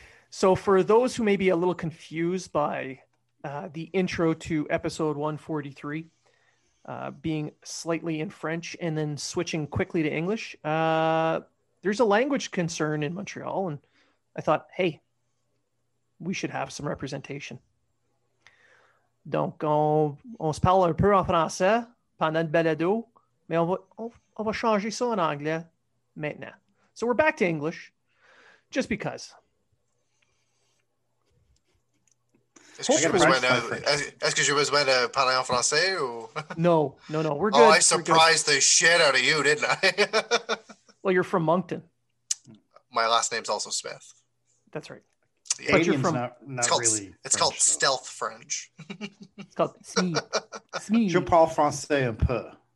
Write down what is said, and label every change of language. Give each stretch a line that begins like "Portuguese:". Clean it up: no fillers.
English: So for those who may be a little confused by the intro to episode 143, being slightly in French and then switching quickly to English, there's a language concern in Montreal, and I thought, hey, we should have some representation.
French: Donc, on se parle un peu en français pendant le balado, mais on va changer ça en anglais maintenant.
English: So we're back to English, just because.
French: Est-ce que j'ai besoin de parler en français ou?
English: No, we're good. Oh, I surprised the shit out of you, didn't I? Well, you're from Moncton. My last name's also Smith. That's right. Yeah. But you're from not really. It's called stealth French. It's called SME.
French: Je parle français un peu.